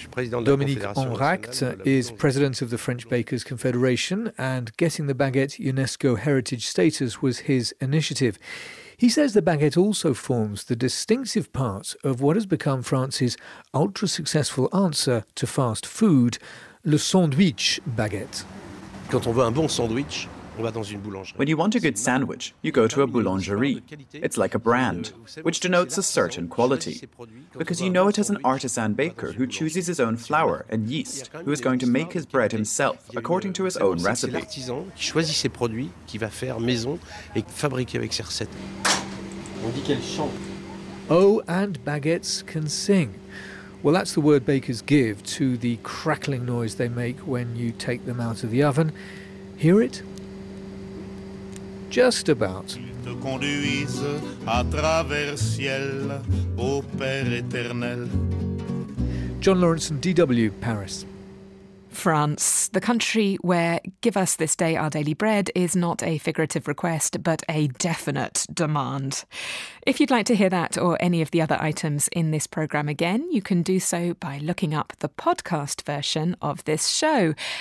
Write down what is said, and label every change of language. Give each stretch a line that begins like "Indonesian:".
English: Dominique Henract is president of the French Bakers Confederation, and getting the baguette UNESCO heritage status was his initiative. He says the baguette also forms the distinctive part of what has become France's ultra-successful answer to fast food, le sandwich baguette.
French: Quand on veut un bon sandwich, on va dans une boulangerie.
English: When you want a good sandwich, you go to a boulangerie. It's like a brand, which denotes a certain quality. Because you know it has an artisan baker who chooses his own flour and yeast, who is going to make his bread himself according to his own recipe.
French: C'est l'artisan qui choisit ses produits, qui va faire maison et fabriquer avec ses recettes. On dit qu'elle chante.
English: Oh, and baguettes can sing. Well, that's the word bakers give to the crackling noise they make when you take them out of the oven. Hear it? Just about.
French: Ils te conduisent à travers ciel, au Père éternel.
English: John Laurenson, DW, Paris. France, the country where give us this day our daily bread is not a figurative request, but a definite demand. If you'd like to hear that or any of the other items in this programme again, you can do so by looking up the podcast version of this show.